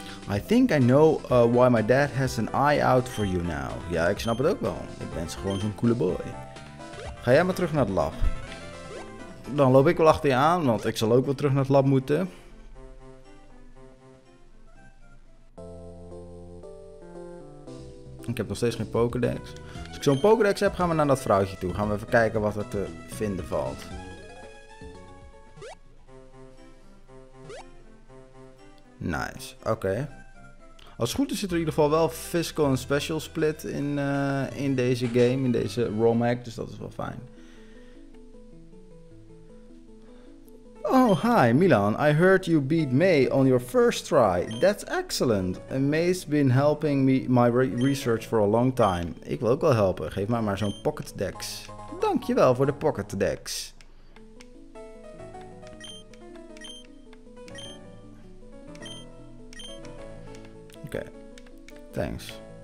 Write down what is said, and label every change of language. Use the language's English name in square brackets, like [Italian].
[English] I think I know why my dad has an eye out for you now. [Dutch] Ja, ik snap het ook wel. Ik ben gewoon zo'n coole boy. Ga jij maar terug naar het lab. Dan loop ik wel achter je aan, want ik zal ook wel terug naar het lab moeten. Ik heb nog steeds geen Pokédex. Als ik zo'n Pokédex heb, gaan we naar dat vrouwtje toe. Gaan we even kijken wat er te vinden valt. Nice, oké. Als het goed is zit er in ieder geval wel fiscal en special split in deze game, in deze ROM hack, dus dat is wel fijn. [English] Oh, hi Milan, I heard you beat May on your first try. That's excellent. May's been helping me my research for a long time. [Dutch] Ik wil ook wel helpen, geef mij maar zo'n pocket dex. Dankjewel voor de pocket dex. [English] Thanks.